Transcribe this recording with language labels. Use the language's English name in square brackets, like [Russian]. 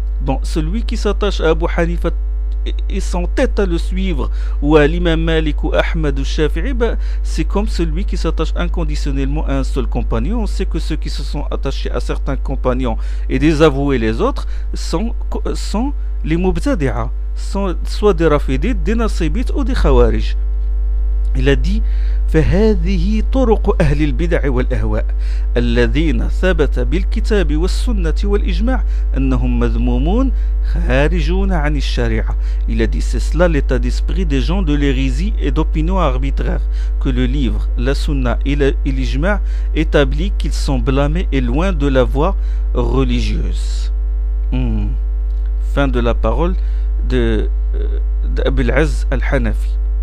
[French] Bon, celui qui s'attache à Abu Hanifa et s'entête à le suivre, ou à l'imam Malik ou Ahmed ou Shafi'i, c'est comme celui qui s'attache inconditionnellement à un seul compagnon. On sait que ceux qui se sont attachés à certains compagnons et désavoués les autres sont les mubtadi'a, soit des rafidites, des nasibites ou des khawarij. Il a dit, [Arabic] فهذه طرق أهل البدع والأهواء الذين ثبت بالكتاب والسنة والإجماع أنهم مذمومون خارجون عن الشريعة. [French] Il a dit, c'est cela l'état d'esprit des gens de l'hérésie et d'opinions arbitraires, que le livre, la sunna et l'ijma établit qu'ils sont blâmés et loin de la voie religieuse. Fin de la parole d'Abu al-Az al-Hanafi.